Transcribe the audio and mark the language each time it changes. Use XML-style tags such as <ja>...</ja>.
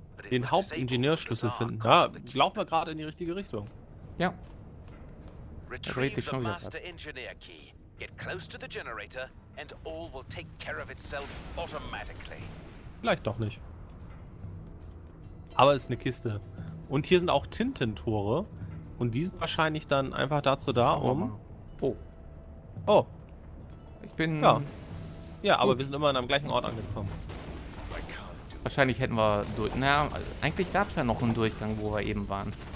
<de>Den Hauptingenieurschlüssel finden. Ja, laufen wir gerade in die richtige Richtung. Ja.</de> <en>Retrieve the Master Engineer Key. Get close to the generator and all will take care of itself automatically.</en> <de>Vielleicht doch nicht. Aber es ist eine Kiste. Und hier sind auch Tintentore. Und die sind wahrscheinlich dann einfach dazu da, um... Oh. Oh. Ich bin... Ja. Ja, aber wir sind immer an einem gleichen Ort angekommen. Wahrscheinlich hätten wir durch... Naja, eigentlich gab es ja noch einen Durchgang, wo wir eben waren.</de>